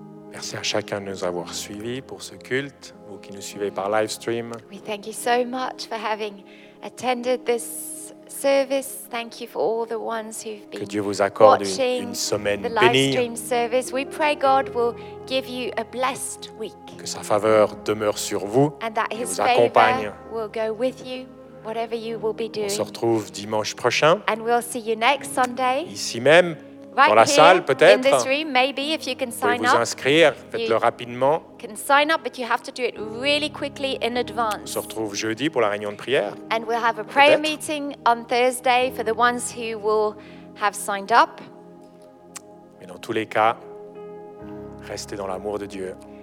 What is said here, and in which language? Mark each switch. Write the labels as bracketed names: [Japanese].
[French] Merci à chacun de nous avoir suivis pour ce culte, vous qui nous suivez par live stream. [English] We thank you so much for having attended this service. Thank you for all the ones who've been. [French] Que Dieu vous accorde une semaine bénie. [English] The live stream service. We pray God will give you a blessed week. [French] Que sa faveur demeure sur vous et vous accompagne. [English] And that his favor will go with you, whatever you will be doing. [French] On se retrouve dimanche prochain. [English] And we'll see you next Sunday. [French] Ici même. Dans la salle, peut-être. [English] In this room, maybe, if you can sign [French] vous pouvez vous inscrire, faites-le rapidement. [English] Can sign up, but you have to do it really quickly in advance. [French] On se retrouve jeudi pour la réunion de prière. [English] And we'll have a prayer [French] peut-être. [English] Meeting on Thursday for the ones who will have signed up. [French] Mais dans tous les cas, restez dans l'amour de Dieu.